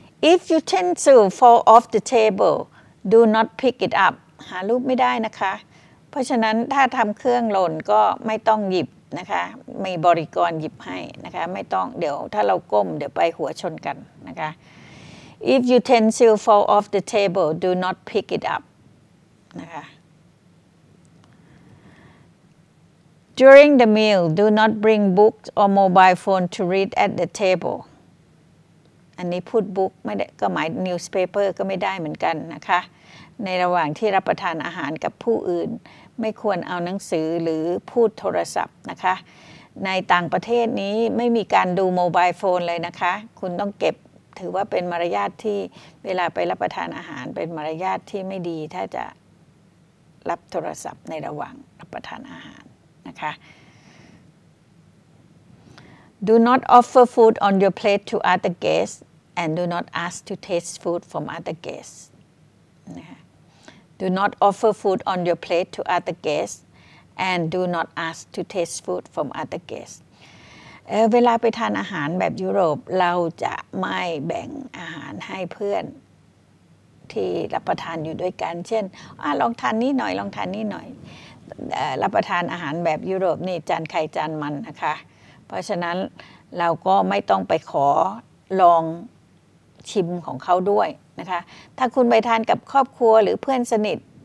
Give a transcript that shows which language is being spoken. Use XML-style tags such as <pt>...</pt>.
<en>If utensil fall off the table do not pick it up</en> <th>หาลูกไม่ได้นะคะเพราะฉะนั้นถ้าทำเครื่องหล่นก็ไม่ต้องหยิบนะคะมีบริกรหยิบให้นะคะไม่ต้องเดี๋ยวถ้าเราก้มเดี๋ยวไปหัวชนกันนะคะ</th> <en>If utensil fall off the table, do not pick it up. นะคะ During the meal, do not bring books or mobile phone to read at the table.</en> <th>อันนี้พูดบุ๊กไม่ได้ก็หมาย newspaper ก็ไม่ได้เหมือนกันนะคะในระหว่างที่รับประทานอาหารกับผู้อื่นไม่ควรเอาหนังสือหรือพูดโทรศัพท์นะคะในต่างประเทศนี้ไม่มีการดู mobile phone เลยนะคะคุณต้องเก็บถือว่าเป็นมารยาทที่เวลาไปรับประทานอาหารเป็นมารยาทที่ไม่ดีถ้าจะรับโทรศัพท์ในระหว่างรับประทานอาหารนะคะ</th> <en>Do not offer food on your plate to other guests and do not ask to taste food from other guests. Do not offer food on your plate to other guests and do not ask to taste food from other guests.</en> <th>เวลาไปทานอาหารแบบยุโรปเราจะไม่แบ่งอาหารให้เพื่อนที่รับประทานอยู่ด้วยกันเช่นลองทานนี้หน่อยลองทานนี้หน่อยรับประทานอาหารแบบยุโรปนี่จานใครจานมันนะคะเพราะฉะนั้นเราก็ไม่ต้องไปขอลองชิมของเขาด้วยนะคะถ้าคุณไปทานกับครอบครัวหรือเพื่อนสนิท</th>